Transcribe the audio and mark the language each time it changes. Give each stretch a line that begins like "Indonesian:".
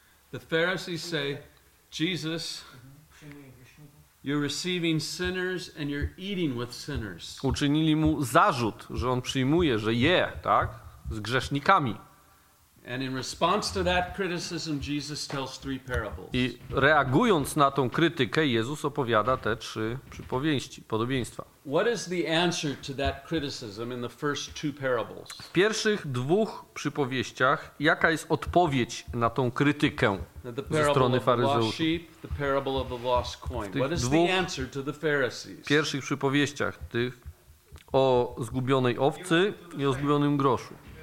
English: The Pharisees say, Jesus, you're receiving sinners and you're eating with sinners.
Polish: Uczynili mu zarzut, że on przyjmuje, że je, tak, z grzesznikami.
English: And in response to that criticism, Jesus tells three parables.
Polish: I reagując na tą krytykę, Jezus opowiada te trzy przypowieści, podobieństwa.
English: What is the answer to that criticism in the first two parables?
Polish: W pierwszych dwóch przypowieściach, jaka jest odpowiedź na tą krytykę ze strony faryzeuszy?
English: The parable of the lost sheep, the parable of the lost coin. What is the answer to the Pharisees?
Polish: W pierwszych przypowieściach, tych o zgubionej owcy i o zgubionym groszu.